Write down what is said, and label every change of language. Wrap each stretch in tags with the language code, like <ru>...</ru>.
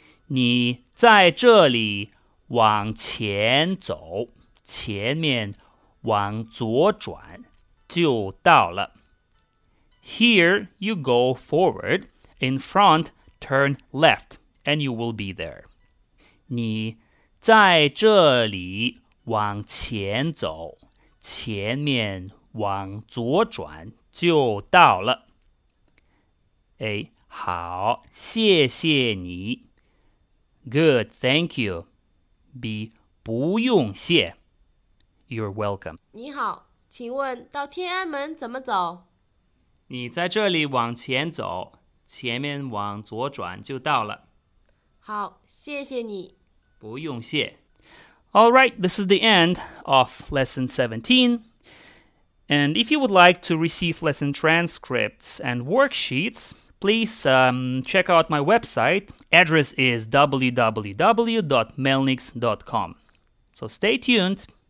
<zh>你在这里往前走，前面往左转就到了。</zh> <en>Here you go forward, in front turn left, and you will be there.</en> <zh>你在这里往前走，前面往左转就到了。 A. 好，谢谢你。</zh> <en>Good, thank you.</en> <zh>B. 不用谢。</zh> <en>You're welcome.</en> <zh>你好，请问到天安门怎么走？你在这里往前走，前面往左转就到了。好，谢谢你。不用谢。</zh> <en>All right, this is the end of Lesson 17. And if you would like to receive lesson transcripts and worksheets, please check out my website. Address is www.melniks.com. So stay tuned.</en>